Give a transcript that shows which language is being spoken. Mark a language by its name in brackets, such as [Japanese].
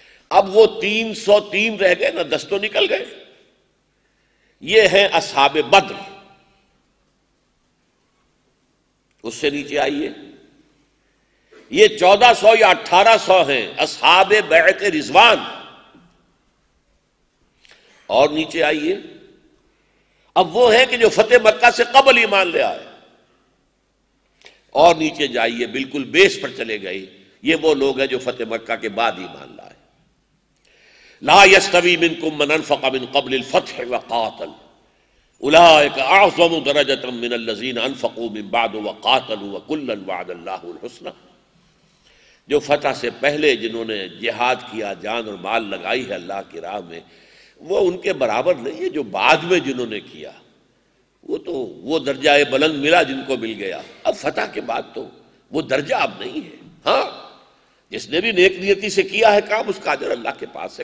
[Hindi] अब वो 303 रह गए ना, दस तो निकल गए। ये हैं असहाबे बद्र, उससे नीचे आइए, ये 1400 या 1800 हैं असहाबे बैते रिजवान, और नीचे आइए। अब वो है कि जो फतेह मक्का से कबल ईमान ले आए, और नीचे जाइए, बिल्कुल बेस पर चले गए, ये वो लोग हैं जो फतेह मक्का के बाद ईमान लाए। [Arabic] لا يستوي منكم من انفق من قبل الفتح وقاتل اولئك اعظم درجه من الذين انفقوا من بعد وقاتلوا وكلا وعد الله الحسنى। [Hindi] जो फतह से पहले जिन्होंने जिहाद किया, जान और माल लगाई है अल्लाह की राह में, वो उनके बराबर नहीं है जो बाद में जिन्होंने किया। वो तो वो दर्जा बुलंद मिला जिनको मिल गया, अब फतह के बाद तो वो दर्जा अब नहीं है। हाँ, जिसने भी नेक नियति से किया है काम, उसका अजर अल्लाह के पास है।